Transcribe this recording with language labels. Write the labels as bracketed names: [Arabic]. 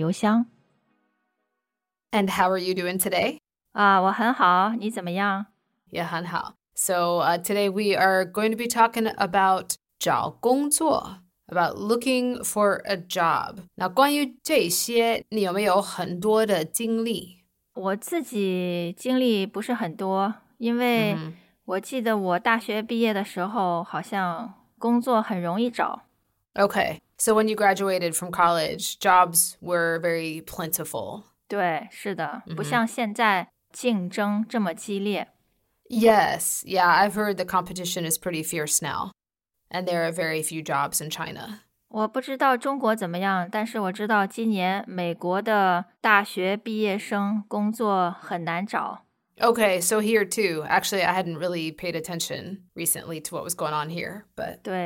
[Chinese] 感谢大家对我们的支持，也欢迎您订阅、评论和转发。如果您有什么问题，或者想和我们进一步的交流，也欢迎您发邮件到我们的邮箱。And [English] how are you doing today? [Chinese] 我很好，你怎么样？也很好。 [English] So today we are going to be talking about [Chinese] 找工作。 [English] About looking for a job. [Chinese] 那关于这些，你有没有很多的经历？我自己经历不是很多，因为我记得我大学毕业的时候，好像工作很容易找。Okay, [English] so when you graduated from college, jobs were very plentiful. [Chinese] 对，是的，不像现在竞争这么激烈。Yes, [English] yeah, I've heard the competition is pretty fierce now, and there are very few jobs in China. [Chinese] 我不知道中国怎么样，但是我知道今年美国的大学毕业生工作很难找。Okay, [English] so here too. Actually, I hadn't really paid attention recently to what was going on here, but